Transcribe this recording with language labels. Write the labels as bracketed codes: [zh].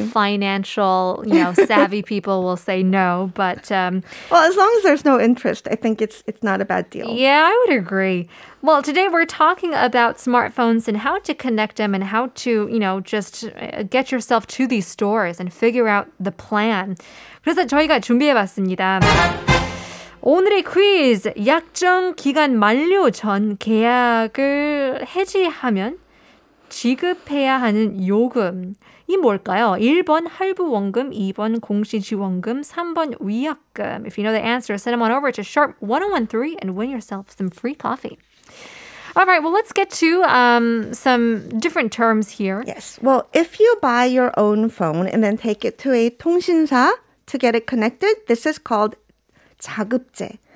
[en] Financial, you know, savvy people will say no, but... Well, as long as there's no interest, I think it's not a bad deal. Yeah, I would agree. Well, today we're talking about smartphones and how to connect them and how to, you know, just get yourself to these stores and figure out the plan. [ko] 그래서 저희가 준비해봤습니다. 오늘의 퀴즈, 약정 기간 만료 전 계약을 해지하면 지급해야 하는 요금이 뭘까요? 1번 할부 원금, 2번 공시 지원금, 3번 위약금. [en] If you know the answer, send them on over to Sharp 1013 and win yourself some free coffee. All right, well, let's get to some different terms here. Yes, well, if you buy your own phone and then take it to a 통신사 to get it connected, this is called 자급제.